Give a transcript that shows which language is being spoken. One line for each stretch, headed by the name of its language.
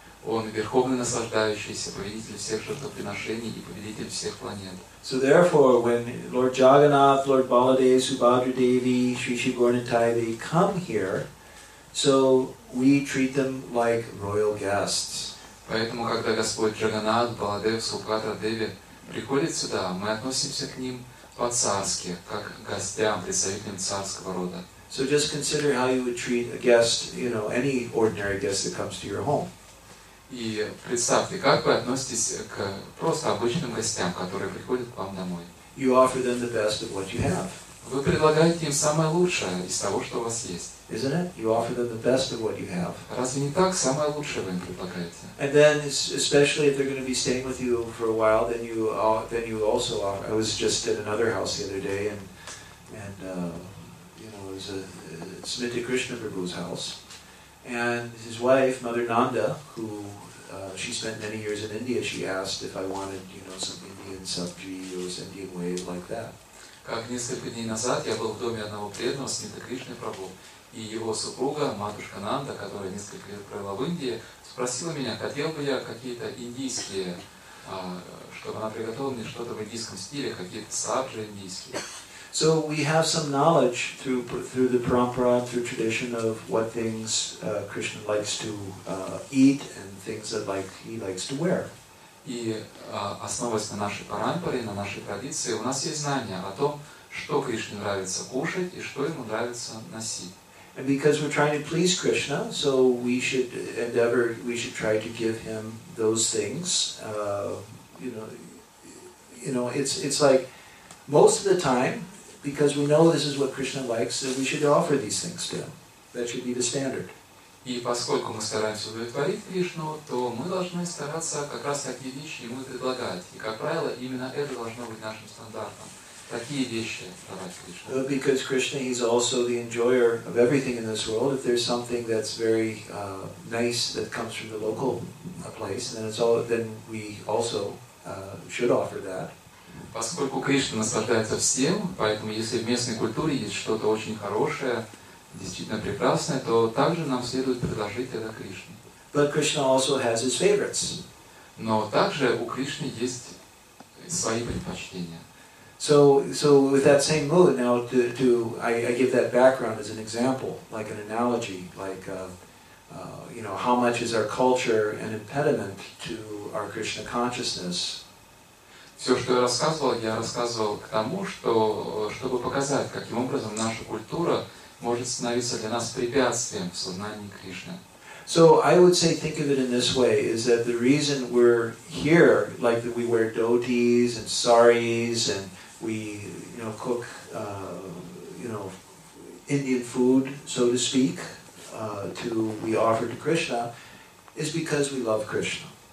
Russian: Он верховный наслаждающийся, повелитель всех жертвоприношений и повелитель всех планет.
English: So therefore, when Lord Jagannath, Lord Baladev, Subhadra Devi, Sri Sri Gaura Nithai, they come here, So we treat them like royal guests.
Russian: Поэтому, когда Господь Джаганнат, Баладев, Субхатра, Деви приходит сюда, мы относимся к ним по-царски, как к гостям, представителям царского рода.
English: So just consider how you would treat a guest, you know, any ordinary guest that comes to your home.
Russian: И представьте, как вы относитесь к просто обычным гостям, которые приходят к вам домой.
English: You offer them the best of what you have.
Russian: Вы предлагаете им самое лучшее из того, что у вас есть.
English: Isn't it? You offer them the best of what you have.
Russian: Разве не так? Самое лучшее вы им предлагаете.
English: And then, especially if they're going to be staying with you for a while, then you also offer. I was just at another house the other day, and it was Smita Krishna Prabhu's house, and his wife, Mother Nanda, who she spent many years in India, she asked if I wanted, you know, some Indian sabji or some Indian way like that.
Russian: Как несколько дней назад я был в доме одного преданного Смиты Кришны Прабху, и его супруга, матушка Нанда, которая несколько лет провела в Индии, спросила меня, хотел бы я какие-то индийские, чтобы она приготовила мне что-то в индийском стиле, какие-то сабжи индийские.
English: So we have some knowledge through the parampara, through tradition of what things Krishna likes to eat and things that like he likes to wear.
Russian: И основываясь на нашей парампаре, на нашей традиции, у нас есть знания о том, что Кришне нравится кушать и что ему нравится носить.
English: And because we're trying to please Krishna, so we should try to give him those things. It's like most of the time, because we know this is what Krishna likes, so we should offer these things to him. That should be the standard.
Russian: И поскольку мы стараемся удовлетворить Кришну, то мы должны стараться как раз такие вещи ему предлагать. И, как правило, именно это должно быть нашим стандартом. Такие вещи давать Кришне.
English: Well, because Krishna, he's also the enjoyer of everything in this world. If there's something that's very nice that comes from the local place, then we also should offer that.
Russian: Поскольку Кришна наслаждается всем, поэтому если в местной культуре есть что-то очень хорошее, действительно прекрасное, то также нам следует предложить это Кришне.
English: But Krishna also has his favorites.
Russian: Но также у Кришны есть свои предпочтения.
English: So with that same mood, now I give that background as an example, like an analogy, how much is our culture an impediment to our Krishna consciousness?
Russian: Все, что я рассказывал к тому, чтобы показать, каким образом наша культура может становиться для нас препятствием в сознании Кришны.
English: So I would say, think of it in this way, is that the reason we're here, like that we wear dhotis and saris and we, you know, cook, you know, Indian food, so to speak, we offer to Krishna, is because we love Krishna.